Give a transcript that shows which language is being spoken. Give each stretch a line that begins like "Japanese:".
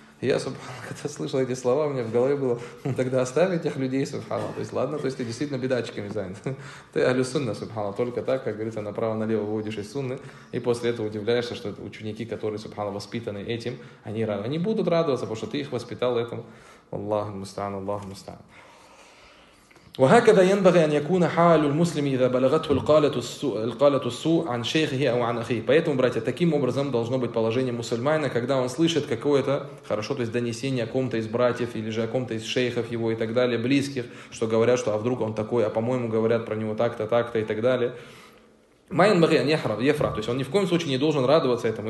Russian: Я, субханаллах, когда слышал эти слова, у меня в голове было: тогда оставь этих людей, субханаллах. То есть, ладно, то есть ты действительно бедачками занят. Ты алюсунна, субханаллах, только так, как говорится, направо-налево выводишь из сунны. И после этого удивляешься, что ученики, которые, субханаллах, воспитаны этим, они будут радоваться, потому что ты их воспитал этому.
Arabic: Аллаху мустан, Аллаху мустан. وهكذا ينبغي أن يكون حال المسلم إذا بلغته القالة السوء عن شيخه أو عن أخيه.
Russian: Поэтому, братья, таким образом должно быть положение мусульманина, когда он слышит какое-то, хорошо, то есть донесение о ком-то из братьев или же о ком-то из шейхов его и так далее, близких, что говорят, что а вдруг он такой, а по-моему говорят про него так-то, так-то и так далее.
Arabic: Майн баги ан яфра,
Russian: то есть он ни в коем случае не должен радоваться этому.